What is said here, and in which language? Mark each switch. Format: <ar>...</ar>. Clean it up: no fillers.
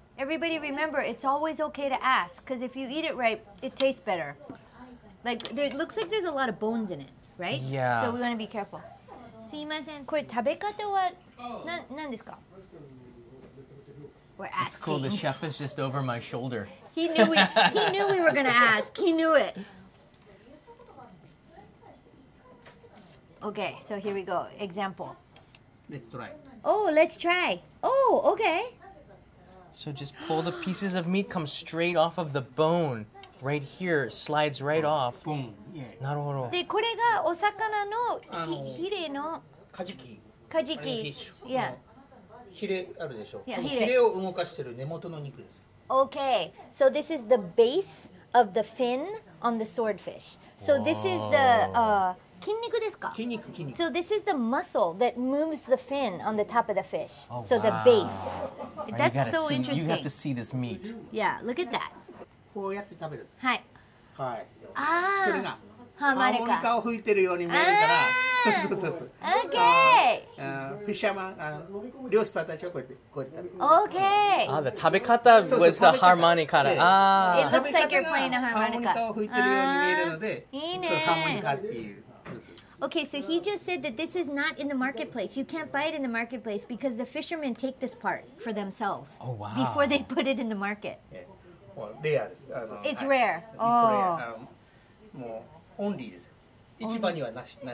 <en>Everybody remember, it's always okay to ask, because if you eat it right, it tastes better. Like, there, it looks like there's a lot of bones in it, right? Yeah. So we want to be careful.</en> <ja>すいません、これ食べ方は何ですか?</ja> <en>We're asking. It's cool, the chef is just over my shoulder. He knew we were going to ask. He knew it. Okay, so here we go. Example. Let's try. Oh, let's try. Oh, okay. So just pull the pieces of meat come straight off of the bone. Right here, slides right off. Boom. Yeah.</en> <ja>なるほど。で、これがお魚のヒレの。カジキ。カジキ。ヒレあるでしょ。ヒレを動かしてる根元の肉です。</ja> <en>Okay. So this is the base of the fin on the swordfish. So this is the...</en> <ja>筋肉ですか? 筋肉、筋肉。</ja> <en>So this is the muscle that moves the fin on the top of the fish. Oh, so wow. The base. That's so interesting. You have to see this meat. Yeah, look at that.</en> <ja>こうやって食べる。はい。はい。ああ。ハーモニカを吹いてるように見えるから。そうそうそうそう。</ja> <en>Okay.</en> <ja>フィッシャーマン、漁師さんたちはこうやって食べる。</ja> <en>Okay.</en> <ja>ああ、食べ方</ja> <en>was the harmonica. Ah. It looks like you're playing a harmonica.</en> <ja>ハーモニカを吹いてるように見えるので。いいね。ハーモニカっていう。</ja> <en>Okay, so he just said that this is not in the marketplace. You can't buy it in the marketplace because the fishermen take this part for themselves. Oh, wow. Before they put it in the market. Yeah. Well, rare. It's rare. It's rare.</en> <ja>Only. 市場にはなし。</ja>